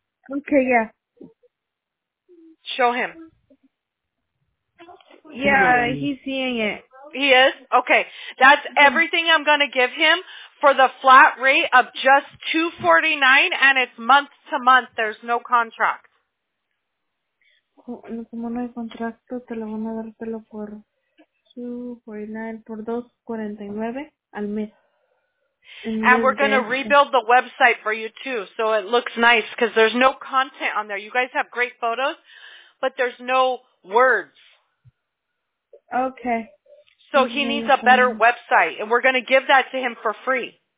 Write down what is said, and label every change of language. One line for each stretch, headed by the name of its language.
English: Okay, yeah. Show him. Yeah, he's seeing it. He is? Okay. That's everything I'm going to give him for the flat rate of just $249, and it's month to month. There's no contract.
Spanish: Como no hay contrato, te lo van a dártelo por $249, por $249 al mes.
English: And we're going to rebuild the website for you, too, so it looks nice because there's no content on there. You guys have great photos, but there's no words. Okay. So he needs a better website, and we're going to give that to him for free.